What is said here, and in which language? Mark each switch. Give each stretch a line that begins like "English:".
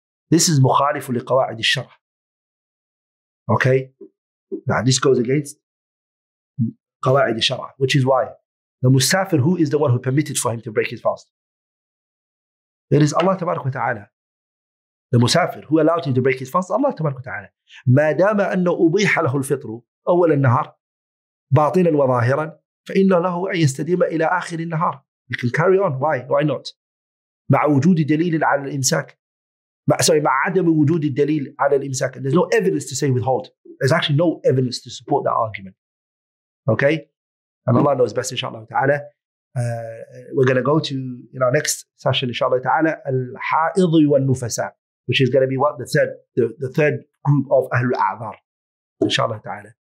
English: This is mukhalifu li qawa'id al-shara. Okay? Now this goes against qawa'id al-shara, which is why the musafir, who is the one who permitted for him to break his fast? It is Allah tabarak wa ta'ala. The musafir, who allowed him to break his fast? Allah tabarak wa ta'ala.
Arabic: Ma dama anna ubiha lahu al-fitru أول النهار باطنا وظاهرا فإن له أن يستديم إلى آخر النهار
English: You can carry on. Why not?
Arabic: مع وجود دليل على الإمساك. مع عدم وجود الدليل على الإمساك.
English: There's no evidence to say withhold. There's actually no evidence to support that argument. Okay? And Allah knows best, inshallah ta'ala. We're going to go to in our next session, inshallah ta'ala, Al-Ha'idh wal-Nufasa, which is going to be what? The third group of Ahlul A'adhar. Inshallah ta'ala.